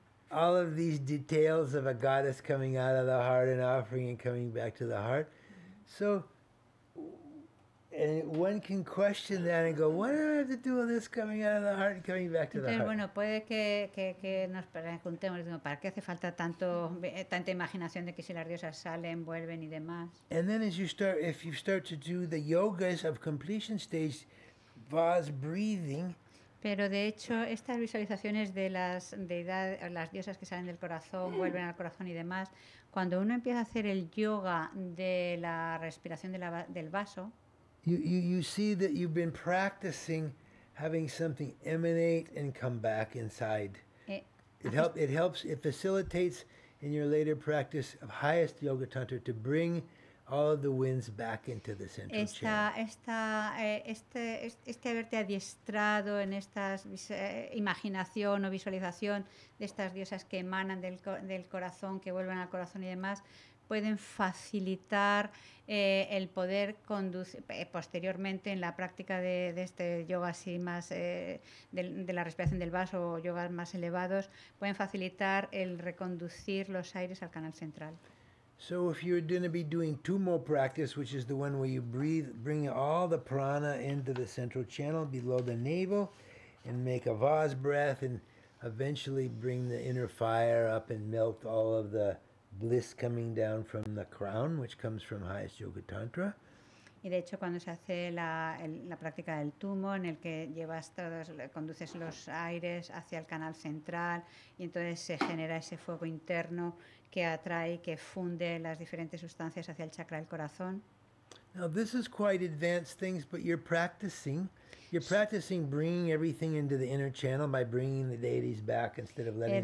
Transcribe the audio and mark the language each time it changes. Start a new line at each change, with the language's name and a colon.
English: all of these details of a goddess coming out of the heart and offering and coming back to the heart. So, and one can question that and go, what do I have to do with this coming out of the heart and coming back to
Spanish: entonces,
English: the heart?
Spanish: Bueno, puede que nos preguntemos, ¿para qué hace falta tanta imaginación de que si las diosas salen, vuelven y demás?
English: And then as you start, if you start to do the yogas of completion stage, vas breathing.
Spanish: Pero de hecho, estas visualizaciones de las deidades, las diosas que salen del corazón, vuelven al corazón y demás, cuando uno empieza a hacer el yoga de la respiración del vaso,
English: You see that you've been practicing having something emanate and come back inside. It facilitates in your later practice of highest yoga tantra to bring all of the winds back into the central chair.
Spanish: Este haberte adiestrado en estas imaginación o visualización de estas diosas que emanan del corazón, que vuelven al corazón y demás, pueden facilitar el poder conducir posteriormente en la práctica de este yoga así más de la respiración del vaso o yogas más elevados, pueden facilitar el reconducir los aires al canal central.
English: So if you're going to be doing two more practice, which is the one where you breathe, bring all the prana into the central channel below the navel and make a vase breath and eventually bring the inner fire up and melt all of the bliss coming down from the crown, which comes from highest yoga tantra.
Spanish: Y de hecho cuando se hace la práctica del tumo en el que llevas todos, conduces los aires hacia el canal central y entonces se genera ese fuego interno que atrae y que funde las diferentes sustancias hacia el chakra del corazón.
English: Now this is quite advanced things, but you're practicing bringing everything into the inner channel by bringing the deities back instead of letting them